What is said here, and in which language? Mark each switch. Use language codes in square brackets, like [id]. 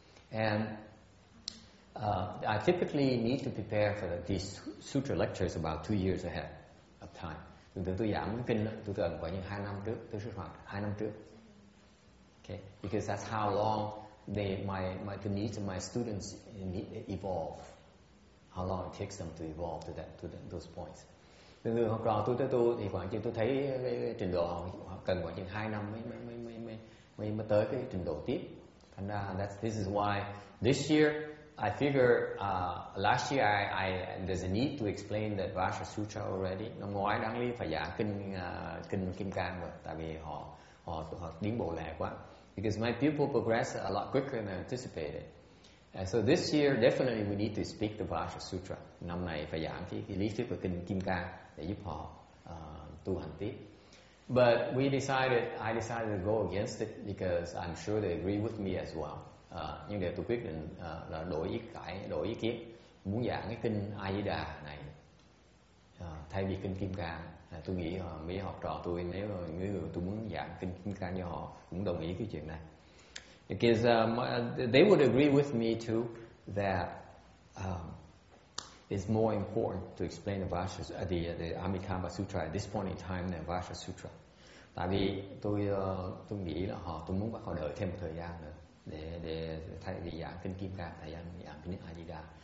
[en] And I typically need to prepare for these sutra lectures about 2 years ahead of time. [vi] Thường thường tôi giảng kinh tôi cần khoảng những 2 năm trước, tôi xuất phát 2 năm trước. [en] Okay, because that's how long the needs of my students evolve, how long it takes them to evolve to those points. [vi] Thường thường học trò tôi tới tu thì khoảng chừng tôi thấy cái trình độ họ cần khoảng chừng 2 năm mới tới cái trình độ tiếp. [en] And this is why this year I figure last year I there's a need to explain the Vajra Sutra already. [vi] Năm ngoái đáng lý phải giảng kinh Kim Cang rồi, tại vì họ tiến bộ lẹ quá. [en] Because my pupil progressed a lot quicker than anticipated. And so this year definitely we need to speak the Vajra Sutra. [vi] Năm nay phải giảng cái lý thuyết của kinh Kim Cang để giúp họ tu hành tiếp. [en] But I decided to go against it because I'm sure they agree with me as well. [vi] Nhưng để tôi quyết định là đổi ý kiến, muốn giảng cái kinh A Di Đà này thay vì kinh Kim Cang. Tôi nghĩ mấy học trò tôi, nếu người tôi muốn giảng kinh Kim Cang cho họ, cũng đồng ý cái chuyện này. [en] Because they would agree with me too that it's more important to explain the Vajra, the Amitabha Sutra at this point in time than Vajra Sutra. [vi] Tại vì tôi nghĩ là tôi muốn bắt họ đợi thêm một thời gian nữa để thay vì giảng kinh Kim Cang, thay vì giảng kinh A Di Đà.